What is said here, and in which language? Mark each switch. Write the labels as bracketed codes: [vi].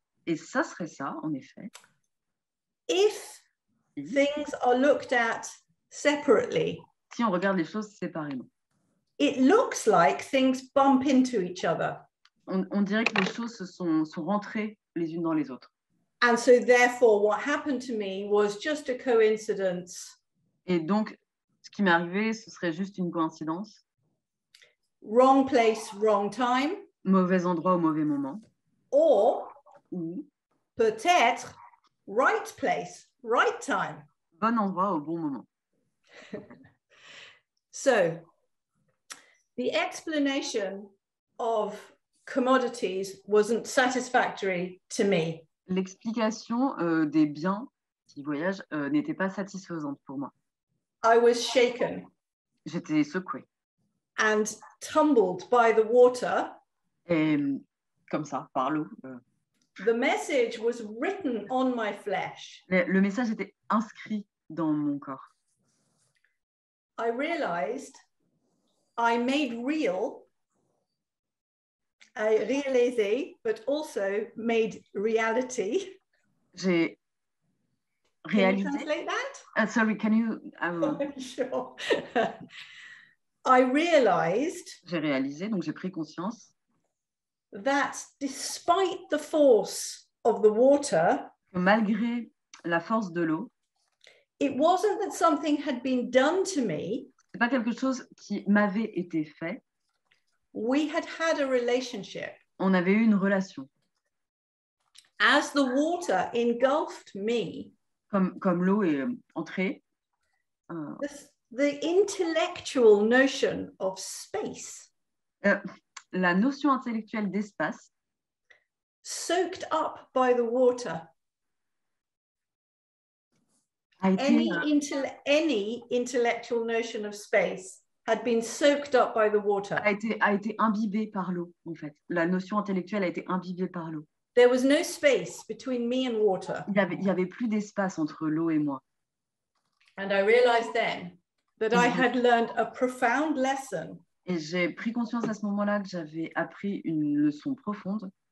[fr] Et ça serait ça, en effet. [en] If things are looked at separately. [fr] Si on regarde les choses séparément. [en] It looks like things bump into each other. [fr] On dirait que les choses se sont rentrées les unes dans les autres. [en] And so therefore what happened to me was just a coincidence. [fr] Et donc ce qui m'est arrivé ce serait juste une coïncidence. [en] Wrong place, wrong time. [fr] Mauvais endroit au mauvais moment. [en] Or [fr] ou peut-être [en] right place, right time. [fr] Bon endroit au bon moment. [en] So the explanation of commodities wasn't satisfactory to me. [fr] L'explication des biens qui voyagent n'était pas satisfaisante pour moi. [en] I was shaken. [fr] J'étais secouée. [en] And tumbled by the water. [fr] Et comme ça, par l'eau. [en] The message was written on my flesh. [fr] Le message était inscrit dans mon corps. [en] I realized I made real. I realized, but also made reality. [fr] J'ai réalisé. [en] Can you translate that? Sorry, can you? Sure. I realized. [fr] J'ai réalisé, donc j'ai pris conscience. [en] That despite the force of the water. [fr] Malgré la force de l'eau. [en] It wasn't that something had been done to me. [fr] C'est pas quelque chose qui m'avait été fait. [en] We had had a relationship. [fr] On avait eu une relation. [en] As the water engulfed me. [fr] Comme l'eau est entrée. [en] The intellectual notion of space. [fr] La notion intellectuelle d'espace. [en] Soaked up by the water. Any intellectual notion of space. Had been soaked up by the water. [fr] A été imbibé par l'eau, en fait. La notion intellectuelle a été imbibée par l'eau. [en] There was no space between me and water. [fr] Il y avait plus d'espace entre l'eau et moi. [en] And I realized then that I had learned a profound lesson. [fr] Et j'ai pris conscience à ce moment-là que j'avais appris une leçon profonde.